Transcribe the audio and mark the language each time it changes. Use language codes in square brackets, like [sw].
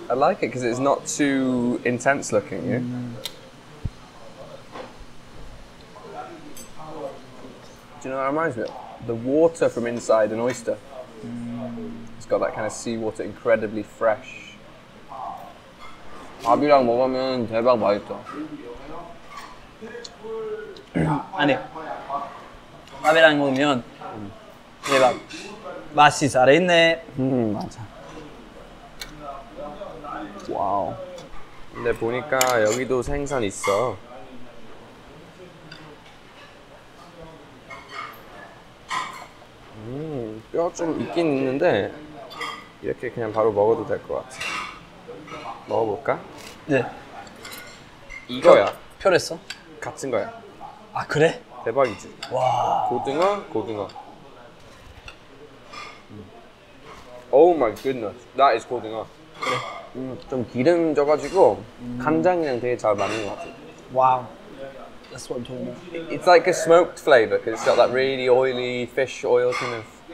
[en] I like it because it's not too intense looking, yeah? Do you know what that reminds me of? The water from inside an oyster. It's got that kind of seawater, incredibly fresh. [ko] 밥이랑 먹으면 대박 맛있다. 아니, 밥이랑 먹으면 대박. 맛이 잘했네. 맞아. 와우. 근데 보니까 여기도 생선 있어. 뼈 좀 있긴 있는데 이렇게 그냥 바로 먹어도 될 것 같아. 먹어볼까? 네. 이거야. 뼈랬어? 같은 거야. 아 그래? 대박이지. 와. 고등어, 고등어. [en] Oh my goodness, that is 고등어. [ko] 그래. 좀 기름 져가지고 간장이랑 되게 잘 맞는 것 같아. [en] 와우. That's what I'm talking about. It's like a smoked flavor because it's got that really oily fish oil kind of.